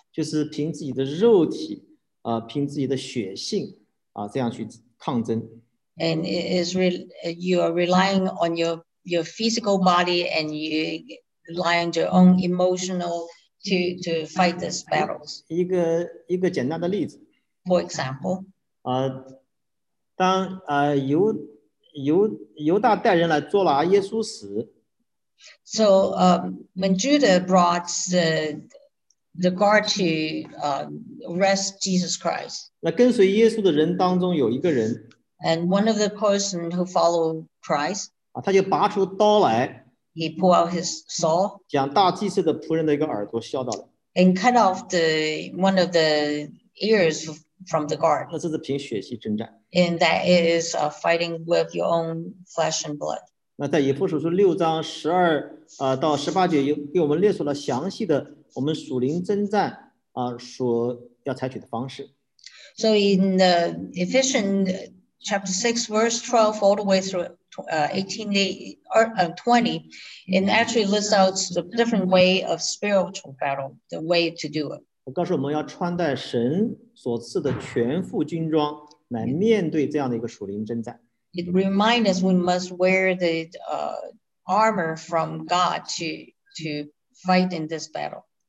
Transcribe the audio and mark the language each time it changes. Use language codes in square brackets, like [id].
[zh] 就是凭自己的肉体，凭自己的血性，这样去抗争。 [en] And it is you are relying on your physical body, and you rely on your own emotional to fight these battles. [zh] 一个简单的例子。 [en] For example. [zh] 当犹大带人来捉拿耶稣时。 [en] So when Judah brought the guard to arrest Jesus Christ. [zh] 那跟随耶稣的人当中有一个人。 [en] And one of the person who followed Christ, [zh] 他就拔出刀来， [en] he pulled out his saw, [zh] 将大祭司的仆人的一个耳朵削掉了， [en] and cut off one of the ears from the guard. [zh] 那这是凭血气征战， [en] and that is fighting with your own flesh and blood. [zh] 那在以弗所书六章十二到十八节又给我们列出了详细的我们属灵征战所要采取的方式。 [en] So in the Ephesians Chapter 6, verse 12, all the way through 20, and actually lists out the different way of spiritual battle, the way to do it. [zh] 我告诉我们要穿戴神所赐的全副军装来面对这样的一个属灵征战。 [en] It reminds us we must wear the armor from God to fight in this battle.